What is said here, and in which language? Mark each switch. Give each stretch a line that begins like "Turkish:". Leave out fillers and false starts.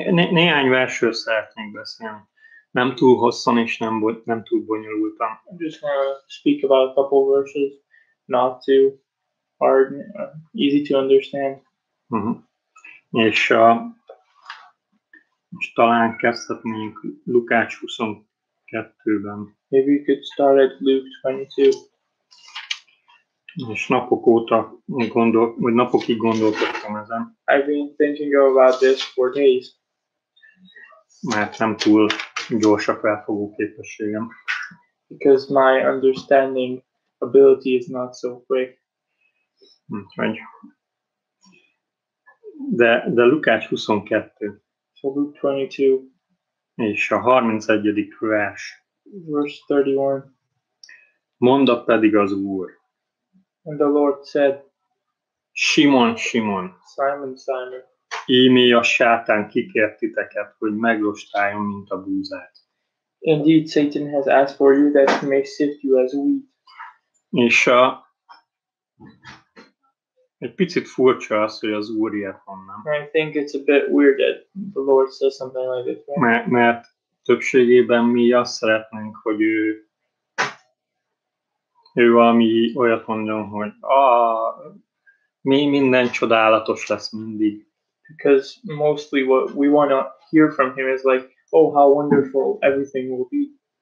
Hungarian: Néhány versről szeretnék beszélni. Nem túl hosszan és nem túl bonyolultan.
English: I'm just going to speak about a couple of verses, not too hard, easy to understand.
Hungarian: És talán kezdhetnénk Lukács 22-ben.
English: Maybe you could start at Luke 22.
Hungarian: És napokig gondolkodtam ezen.
English: I've been thinking about this for days.
Hungarian: Mert nem túl gyors a felfogó képességem.
English: Because my understanding ability is not so quick.
Hungarian: De Lukács 22.
English: So Luke 22.
Hungarian: És a 31. vers.
English: Verse 31.
Hungarian: Mondta pedig az Úr.
English: And the Lord said.
Hungarian: Simon, Simon.
English: Simon, Simon.
Hungarian: Íme a sátán kikért titeket, hogy meglostáljon, mint a búzát.
English: Indeed, Satan has asked for you that he may sift you as wheat.
Hungarian: Egy picit furcsa az, hogy az Úr ilyet mondta.
English: I think it's a bit weird that the Lord says something like this.
Hungarian: Mert többségében mi azt szeretnénk, hogy ő valami olyat mondjon, hogy mi minden csodálatos lesz mindig.
English: Because mostly what we want to hear from him is like, oh, how wonderful everything will be.